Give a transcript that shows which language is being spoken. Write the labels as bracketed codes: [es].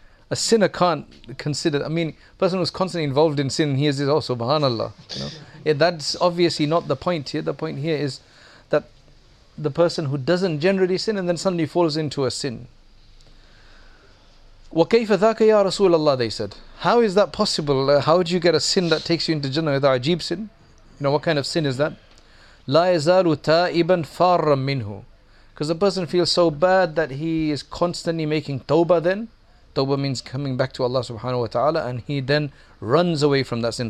[en] A sinner can't consider, person who's constantly involved in sin, he is this, oh, subhanallah. You know? Yeah, that's obviously not the point here. The point here is that the person who doesn't generally sin and then suddenly falls into a sin. [ar] وَكَيْفَ ذَاكَ يَا رَسُولَ اللَّهِ, [en] they said. How is that possible? How do you get a sin that takes you into Jannah with a ajeeb sin? You know, what kind of sin is that? [ar] لَا يَزَالُ تَائِبًا فَارًا مِّنْهُ. [en] Because the person feels so bad that he is constantly making tawbah then. Tawbah means coming back to Allah subhanahu wa ta'ala. And he then runs away from that sin.